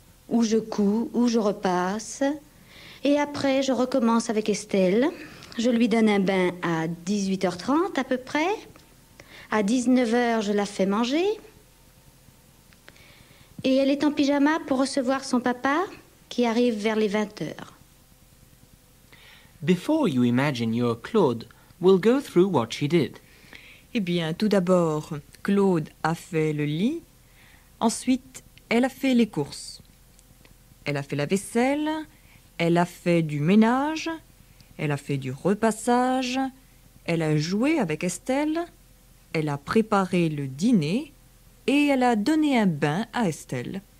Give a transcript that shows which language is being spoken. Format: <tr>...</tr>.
<fr>Ou je couds, ou je repasse. Et après, je recommence avec Estelle. Je lui donne un bain à 18h30 à peu près. À 19h, je la fais manger. Et elle est en pyjama pour recevoir son papa, qui arrive vers les 20h.</fr> <en>Before you imagine you're Claude, we'll go through what she did.</en> <fr>Eh bien, tout d'abord, Claude a fait le lit. Ensuite, elle a fait les courses. Elle a fait la vaisselle, elle a fait du ménage, elle a fait du repassage, elle a joué avec Estelle, elle a préparé le dîner et elle a donné un bain à Estelle.</fr>